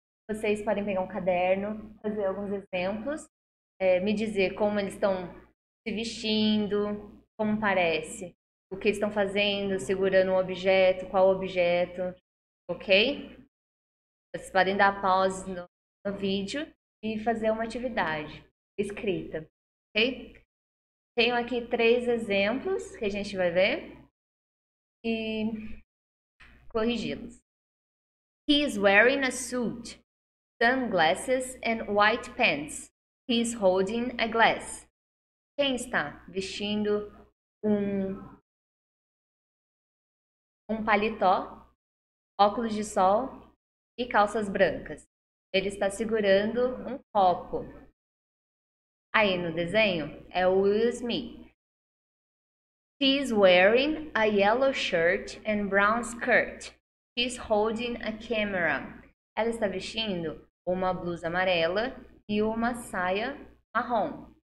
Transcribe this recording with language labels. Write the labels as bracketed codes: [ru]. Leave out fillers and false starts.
[pt] Vocês podem pegar um caderno, fazer alguns exemplos, me dizer como eles estão se vestindo, como parece, o que eles estão fazendo, segurando um objeto, qual objeto, ok? Vocês podem dar pause no vídeo e fazer uma atividade escrita, ok? Tenho aqui três exemplos que a gente vai ver e corrigi-los. [en] He is wearing a suit, sunglasses and white pants. He is holding a glass. [pt] Quem está vestindo um paletó, óculos de sol e calças brancas? Ele está segurando um copo. Aí no desenho é o Will Smith. [en] She's wearing a yellow shirt and brown skirt. She's holding a camera. [pt] Ela está vestindo uma blusa amarela e uma saia marrom.